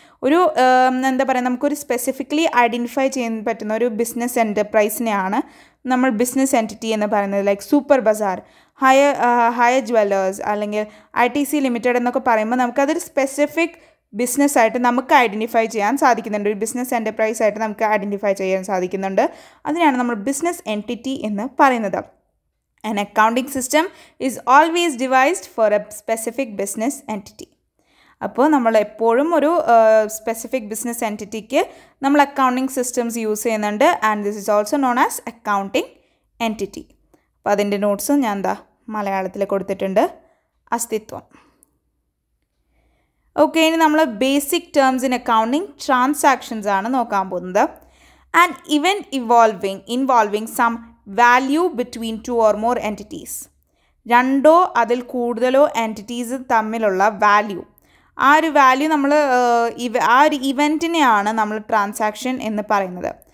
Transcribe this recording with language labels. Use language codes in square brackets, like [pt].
[ml] ഒരു എന്താ പറയുക, നമുക്കൊരു സ്പെസിഫിക്കലി ഐഡൻറ്റിഫൈ ചെയ്യാൻ പറ്റുന്ന ഒരു ബിസിനസ് എൻറ്റർപ്രൈസിനെയാണ് നമ്മൾ ബിസിനസ് എൻറ്റിറ്റി എന്ന് പറയുന്നത്. Like super Bazar, higher Jewellers, അല്ലെങ്കിൽ ITC ലിമിറ്റഡ് എന്നൊക്കെ പറയുമ്പോൾ നമുക്കതൊരു സ്പെസിഫിക് ബിസിനസ്സായിട്ട് നമുക്ക് ഐഡൻറ്റിഫൈ ചെയ്യാൻ സാധിക്കുന്നുണ്ട്. ഒരു ബിസിനസ് എൻറ്റർപ്രൈസ് ആയിട്ട് നമുക്ക് ഐഡൻറ്റിഫൈ ചെയ്യാൻ സാധിക്കുന്നുണ്ട്. അതിനാണ് നമ്മൾ ബിസിനസ് എൻറ്റിറ്റി എന്ന് പറയുന്നത്. [en] An accounting system is always devised for a specific business entity. [ml] അപ്പോൾ നമ്മൾ എപ്പോഴും ഒരു സ്പെസിഫിക് ബിസിനസ് എൻറ്റിറ്റിക്ക് നമ്മൾ അക്കൗണ്ടിങ് സിസ്റ്റംസ് യൂസ് ചെയ്യുന്നുണ്ട്. [en] And this is also known as accounting entity. [ml] അപ്പോൾ അതിൻ്റെ നോട്ട്സും ഞാൻ മലയാളത്തിൽ കൊടുത്തിട്ടുണ്ട്. അസ്തിത്വം. ഓക്കെ, ഇനി നമ്മൾ basic terms in accounting transactions ആണ് നോക്കാൻ പോകുന്നത്. [en] And event involving some value between two or more entities. [ml] രണ്ടോ അതിൽ കൂടുതലോ എൻറ്റിറ്റീസ് തമ്മിലുള്ള വാല്യൂ, ആ ഒരു വാല്യൂ നമ്മൾ ആ ഒരു ഇവൻറ്റിനെയാണ് നമ്മൾ ട്രാൻസാക്ഷൻ എന്ന് പറയുന്നത്.